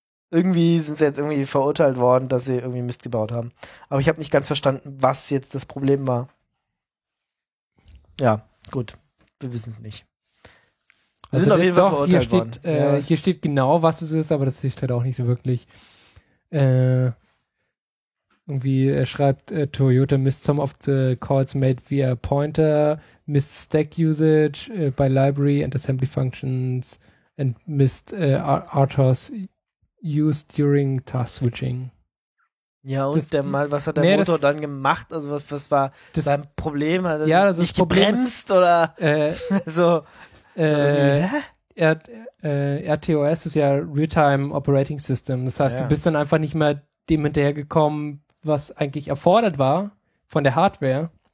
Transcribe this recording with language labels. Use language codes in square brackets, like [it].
[de] Irgendwie sind sie jetzt irgendwie verurteilt worden, dass sie irgendwie Mist gebaut haben. Aber ich habe nicht ganz verstanden, was jetzt das Problem war. Ja, gut. Wir wissen es nicht. Sie also sind auf jeden Fall verurteilt worden. Steht, ja, hier steht genau, was es ist, aber das hilft halt auch nicht so wirklich. Irgendwie schreibt [en] Toyota missed some of the calls made via pointer, missed stack usage by library and assembly functions and missed RTOS used during task switching. [de] Ja, und das, der mal, was hat der Motor das, dann gemacht? Also was war das, sein Problem? Hat er ja, das nicht das gebremst ist, oder so? RTOS ist ja Real-Time Operating System. Das heißt, ja, du bist dann einfach nicht mehr dem hinterhergekommen, was eigentlich erfordert war von der Hardware.